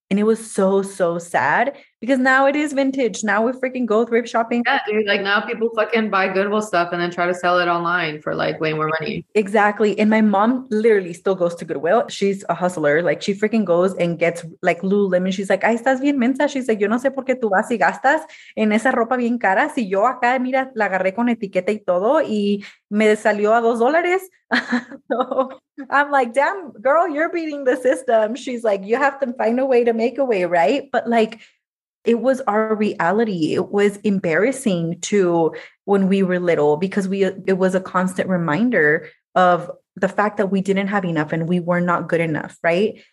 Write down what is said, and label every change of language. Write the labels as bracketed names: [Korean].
[English] And it was so, so sad, because now it is vintage. Now we freaking go thrift shopping. Yeah, dude. Like now people fucking buy Goodwill stuff and then try to sell it online for like way more money. Exactly. And my mom literally still goes to Goodwill. She's a hustler. Like she freaking goes and gets like Lululemon. She's like, [Spanish] ay, estás bien mensa. [English] She's like, [Spanish] yo no sé por qué tú vas y gastas en esa ropa bien cara. Si yo acá, mira, la agarré con etiqueta y todo y me salió a $2. [English] So I'm like, damn, girl, you're beating the system. She's like, you have to find a way to make a way, right? But like, it was our reality. It was embarrassing to when we were little, because it was a constant reminder of the fact that we didn't have enough and we were not good enough, right?